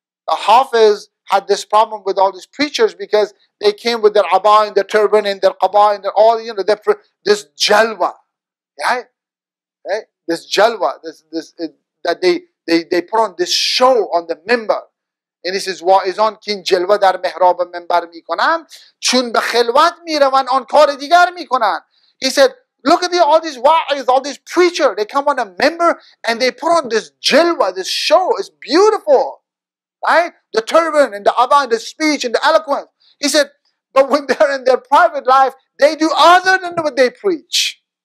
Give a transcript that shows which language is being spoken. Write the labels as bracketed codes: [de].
[en] The Hafiz had this problem with all these preachers because they came with their aba and their turban and their qaba and their all, you know, their, this jalwa. Right? This jalwa, that they put on this show on the minbar. And he says, [fa] واعظان که این جلوه در محراب منبر می کنن چون به خلوت می روان آن کار دیگر می کنن. [en] He said, look at all these واعظ, all these preachers. They come on a member and they put on this jilwa, this show. It's beautiful. Right? The turban and the abba and the speech and the eloquence. He said, but when they're in their private life, they do other than what they preach.